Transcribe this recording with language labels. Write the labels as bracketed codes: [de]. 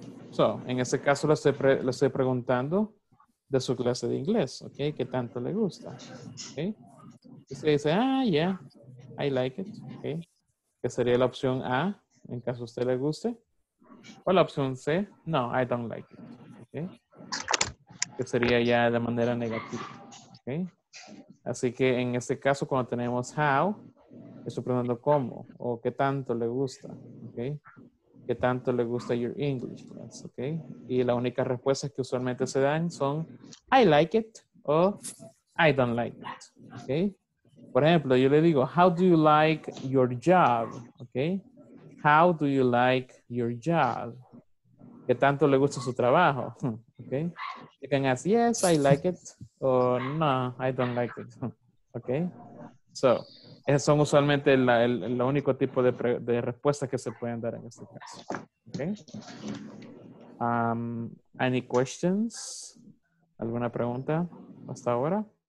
[es] So, en este caso le estoy preguntando de su clase de inglés, ¿ok? ¿Qué tanto le gusta? ¿Ok? Y usted dice, [en] ah, yeah, I like it, [es] ¿ok? Que sería la opción A, en caso a usted le guste. O la opción C, [en] no, I don't like it. [es] Okay. Que sería ya de manera negativa. Okay. Así que en este caso, cuando tenemos how, estoy preguntando cómo o qué tanto le gusta. Okay. ¿Qué tanto le gusta [en] your English class? [es] Okay. Y las únicas respuestas que usualmente se dan son [en] I like it [es] o [en] I don't like it. [es] Okay. Por ejemplo, yo le digo, [en] how do you like your job? Okay. How do you like your job? [es] ¿Qué tanto le gusta su trabajo? [en] Okay. You can ask, yes, I like it, or no, I don't like it. Okay. [es] So, esas son usualmente el único tipo de respuestas que se pueden dar en este caso. [en] Okay. Any questions? [es] ¿Alguna pregunta hasta ahora?